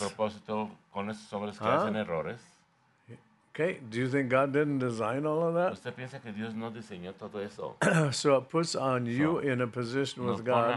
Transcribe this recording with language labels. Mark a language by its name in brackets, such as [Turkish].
[Spanish] En propósito, con esos hombres que hacen errores. [English] Okay, do you think God didn't design all of that? [Spanish] ¿Usted piensa que Dios no diseñó todo eso? [English] So it puts on you in a position with God.